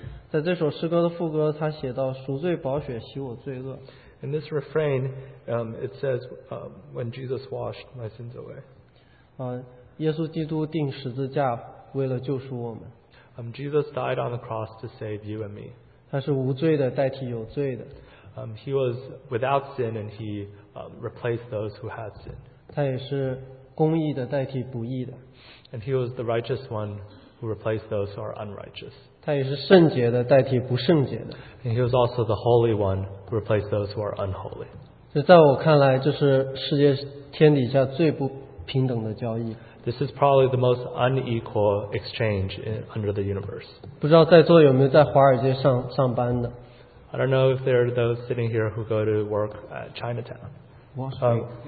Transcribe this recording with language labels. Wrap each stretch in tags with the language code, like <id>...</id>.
<zh>在这首诗歌的副歌，他写到赎罪宝血洗我罪恶。</zh> <en>In this refrain, it says, "When Jesus washed my sins away."</en> <zh>耶稣基督钉十字架为了救赎我们。</zh> <en>Jesus died on the cross to save you and me.</en> <zh>他是无罪的代替有罪的。</zh> <en>He was without sin and he replaced those who had sin.</en> <zh>他也是公义的代替不义的。</zh> <en>And he was the righteous one who replaced those who are unrighteous.</en> <zh>他也是圣洁的代替不圣洁的。</zh> <en>And he was also the holy one who replaced those who are unholy.</en> <zh>这在我看来，这是世界天底下最不平等的交易。</zh> <en>This is probably the most unequal exchange under the universe.</en> <zh>不知道在座有没有在华尔街上班的。</zh> <en>I don't know if there are those sitting here who go to work at Chinatown.</en>